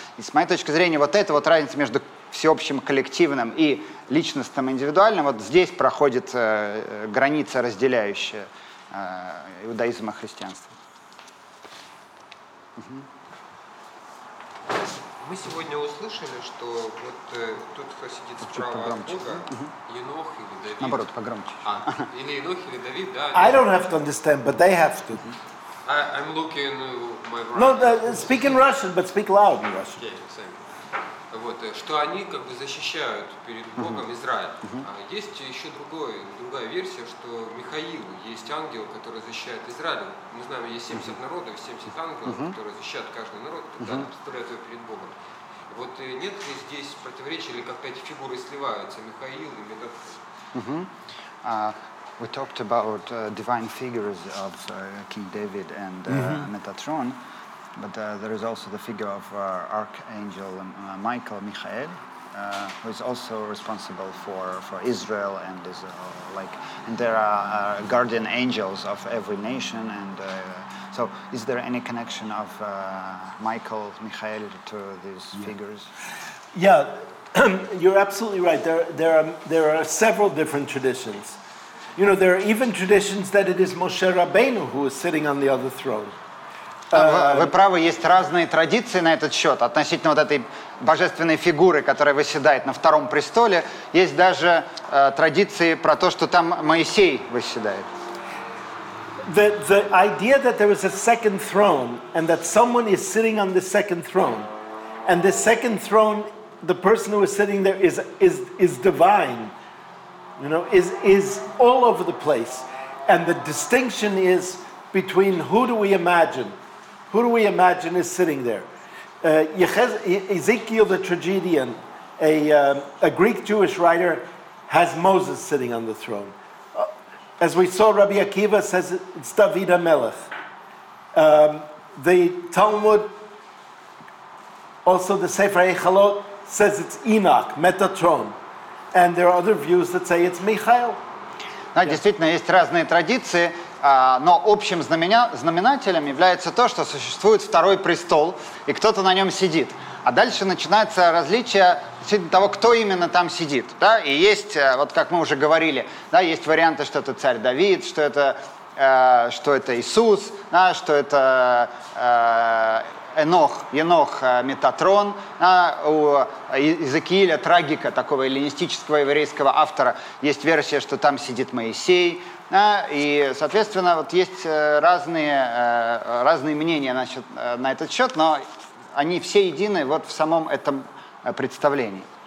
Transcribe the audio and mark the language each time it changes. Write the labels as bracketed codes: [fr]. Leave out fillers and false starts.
[ru] И с моей точки зрения, вот эта вот разница между всеобщим, коллективным и личностным, индивидуальным, вот здесь проходит граница, разделяющая иудаизм и христианство. Угу. Мы сегодня услышали, что вот тот, кто сидит справа от Бога, Енох или Давид. Наоборот, погромче. Или Енох, или Давид, да. [en] I don't have to understand, but they have to. I'm looking my brother. No, speak in Russian, but speak loud in Russian. [ru] Yeah, вот, что они как бы защищают перед Богом Израиль. Uh-huh. Есть еще другая версия, что Михаил есть ангел, который защищает Израиль. Мы знаем, есть 70 народов, 70 ангелов, которые защищают каждый народ, когда представляют его перед Богом. Вот нет ли здесь противоречия, или как-то эти фигуры сливаются, Михаил и Метатрон? [en] We talked about divine figures of King David and Metatron, but there is also the figure of Archangel Michael, Michael, who is also responsible for Israel and is like, and there are guardian angels of every nation. And so, is there any connection of Michael, Michael to these figures? Yeah, you're absolutely right. There are several different traditions. You know, there are even traditions that it is Moshe Rabbeinu who is sitting on the other throne. [ru] Вы правы, есть разные традиции на этот счет относительно вот этой божественной фигуры, которая восседает на втором престоле. Есть даже традиции про то, что там Моисей восседает. [en] The idea that there is a second throne and that someone is sitting on the second throne and the second throne, the person who is sitting there is divine, you know, is all over the place. And the distinction is between who do we imagine? Who do we imagine is sitting there? Ezekiel the tragedian, a Greek-Jewish writer, has Moses sitting on the throne. As we saw, Rabbi Akiva says it's David HaMelech. The Talmud, also the Sefer Eichalot, says it's Enoch, Metatron. And there are other views that say it's Michael. [ru] Да, действительно, есть разные традиции, но общим знаменателем является то, что существует второй престол, и кто-то на нем сидит. А дальше начинается различие того, кто именно там сидит. Да? И есть, вот как мы уже говорили, да, есть варианты, что это царь Давид, что это Иисус, да, что это Енох, Метатрон, да, у Иезекииля, трагика такого эллинистического еврейского автора, есть версия, что там сидит Моисей, да, и, соответственно, вот есть разные мнения на этот счет, но они все едины вот в самом этом представлении.